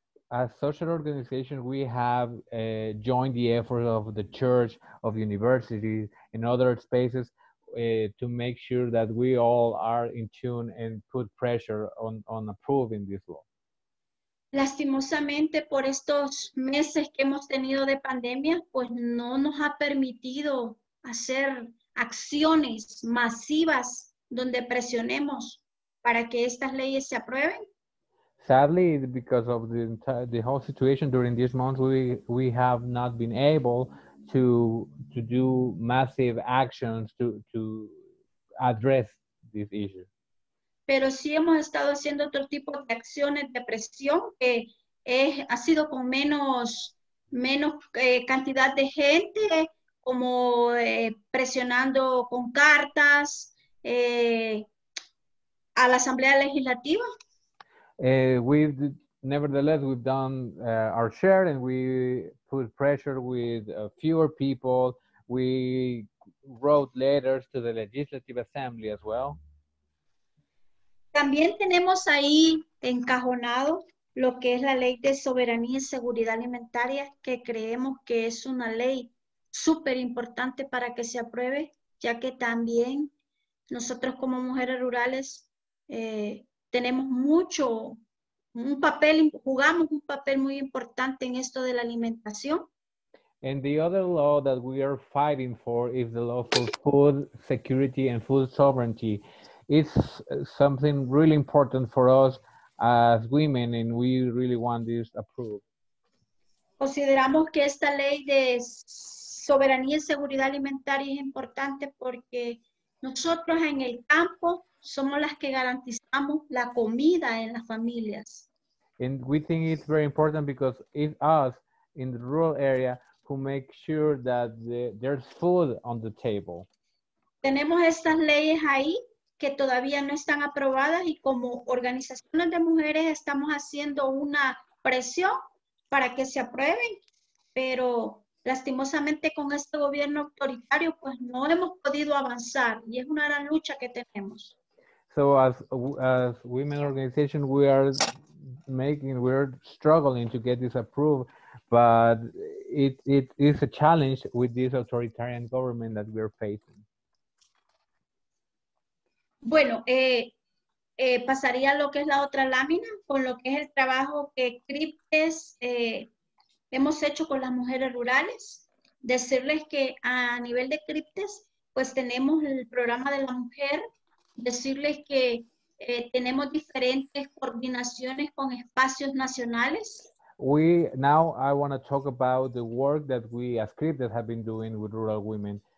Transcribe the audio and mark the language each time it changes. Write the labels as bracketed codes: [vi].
[en] As social organizations, we have joined the efforts of the church, of universities, and other spaces to make sure that we all are in tune and put pressure on approving this law. [es] Lastimosamente, por estos meses que hemos tenido de pandemia, pues no nos ha permitido hacer acciones masivas donde presionemos para que estas leyes se aprueben. [en] Sadly, because of the whole situation during this month, we have not been able to do massive actions to address this issue. [es] Pero sí hemos estado haciendo otro tipo de acciones de presión, que ha sido con menos cantidad de gente, como presionando con cartas a la Asamblea Legislativa. [en] We've done our share, and we put pressure with fewer people. We wrote letters to the Legislative Assembly as well. [es] También tenemos ahí encajonado lo que es la ley de soberanía y seguridad alimentaria, que creemos que es una ley súper importante para que se apruebe, ya que también nosotros como mujeres rurales tenemos mucho, un papel, jugamos un papel muy importante en esto de la alimentación. [en] And the other law that we are fighting for is the law for food security and food sovereignty. It's something really important for us as women, and we really want this approved. [es] Consideramos que esta ley de soberanía y seguridad alimentaria es importante porque nosotros en el campo somos las que garantizamos la comida en las familias. [en] And we think it's very important because it's us in the rural area who make sure that there's food on the table. [es] Tenemos estas leyes ahí que todavía no están aprobadas, y como organizaciones de mujeres estamos haciendo una presión para que se aprueben, pero lastimosamente con este gobierno autoritario pues no hemos podido avanzar, y es una gran lucha que tenemos. [en] So as women organization, we're struggling to get this approved, but it is a challenge with this authoritarian government that we're facing. [es] Bueno, pasaría lo que es la otra lámina con lo que es el trabajo que CRIPTES hemos hecho con las mujeres rurales. Decirles que a nivel de CRIPTES, pues tenemos el programa de la mujer. Decirles que tenemos diferentes coordinaciones con espacios nacionales. [en] Now I want to talk about the work that we as CRIPTES have been doing with rural women.